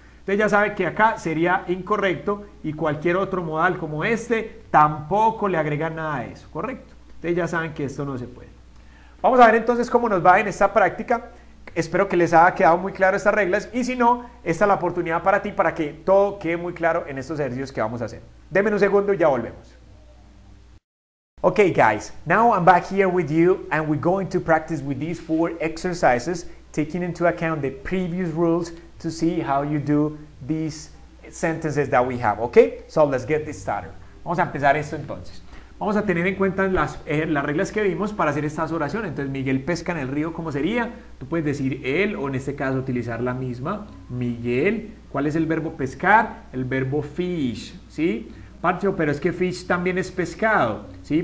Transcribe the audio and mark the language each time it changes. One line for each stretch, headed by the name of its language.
Spanish: Usted ya sabe que acá sería incorrecto y cualquier otro modal como este tampoco le agrega nada a eso, ¿correcto? Ustedes ya saben que esto no se puede. Vamos a ver entonces cómo nos va en esta práctica. Espero que les haya quedado muy claro estas reglas y si no, esta es la oportunidad para ti para que todo quede muy claro en estos ejercicios que vamos a hacer. Deme un segundo y ya volvemos.
English: Okay, guys, now I'm back here with you and we're going to practice with these four exercises taking into account the previous rules to see how you do these sentences that we have, okay? So let's get this started.
Spanish: Vamos a empezar esto entonces. Vamos a tener en cuenta las reglas que vimos para hacer estas oraciones. Entonces, Miguel pesca en el río, ¿cómo sería? Tú puedes decir él o en este caso utilizar la misma. Miguel, ¿cuál es el verbo pescar? El verbo fish, ¿sí? Pacho, pero es que fish también es pescado, ¿sí?